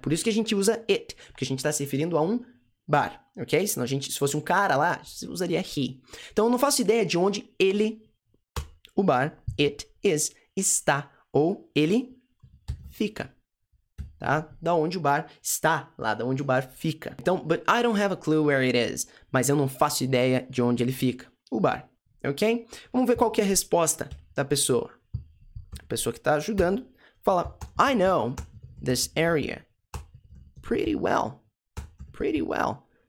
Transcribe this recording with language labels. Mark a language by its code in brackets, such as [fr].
[pt] Por isso que a gente usa it, porque a gente está se referindo a um bar, ok? Senão a gente, se fosse um cara lá, você usaria he. Então, eu não faço ideia de onde ele, o bar, [en] it is, [pt] está. Ou ele fica, tá? Da onde o bar está, lá da onde o bar fica. Então, [en] but I don't have a clue where it is. [pt] Mas eu não faço ideia de onde ele fica, o bar, ok? Vamos ver qual que é a resposta da pessoa. A pessoa que está ajudando fala, [en] I know this area pretty well, pretty well.